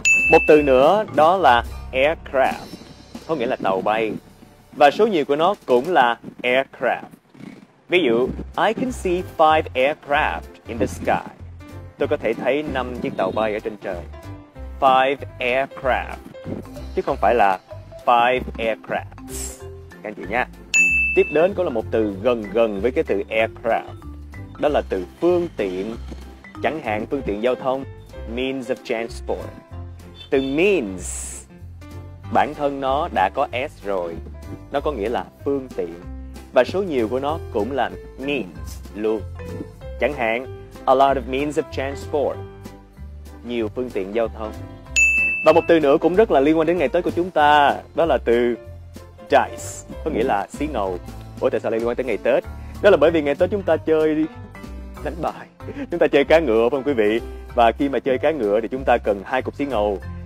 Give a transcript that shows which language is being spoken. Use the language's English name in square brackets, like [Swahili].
[Vietnamese] Một từ nữa đó là aircraft, có nghĩa là tàu bay. Và số nhiều của nó cũng là aircraft. [English] Ví dụ, I can see 5 aircraft in the sky. [Vietnamese] Tôi có thể thấy 5 chiếc tàu bay ở trên trời. 5 aircraft, chứ không phải là 5 aircrafts. Các anh chị nha. Tiếp đến có là một từ gần gần với cái từ aircraft. Đó là từ phương tiện. Chẳng hạn phương tiện giao thông, [English] means of transport. [Vietnamese] Từ means, bản thân nó đã có S rồi. Nó có nghĩa là phương tiện. Và số nhiều của nó cũng là means luôn. [English] Chẳng hạn, a lot of means of transport. [Vietnamese] Nhiều phương tiện giao thông. Và một từ nữa cũng rất là liên quan đến ngày Tết của chúng ta. Đó là từ dice, có nghĩa là xí ngầu. Ủa, tại sao lại liên quan tới ngày Tết? Đó là bởi vì ngày Tết chúng ta chơi đánh bài. Chúng ta chơi cá ngựa, phải không quý vị? Và khi mà chơi cá ngựa thì chúng ta cần hai cục xí ngầu.